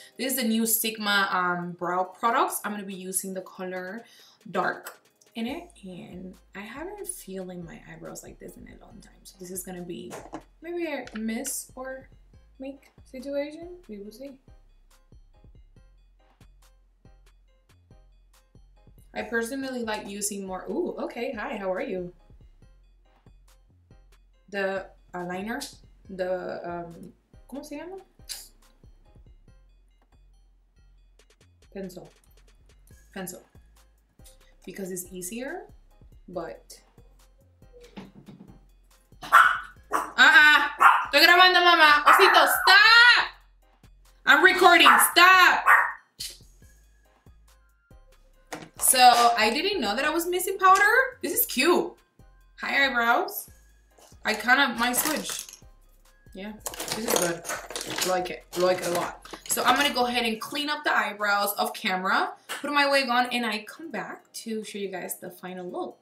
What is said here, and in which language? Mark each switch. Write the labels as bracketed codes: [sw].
[en] This is the new Sigma brow products. I'm gonna be using the color dark in it, and I haven't feeling my eyebrows like this in a long time. So this is gonna be maybe a miss or make situation. We will see. I personally like using more, ooh, okay, hi, how are you? The aligner, the, [es] ¿cómo se llama? [en] Pencil, because it's easier, but. [es] Estoy grabando, mamá, osito, [en] stop! I'm recording, stop! So, I didn't know that I was missing powder. This is cute. Hi, eyebrows. I kind of might switch. Yeah, this is good. Like it. Like it a lot. So, I'm going to go ahead and clean up the eyebrows off camera, put my wig on, and I come back to show you guys the final look.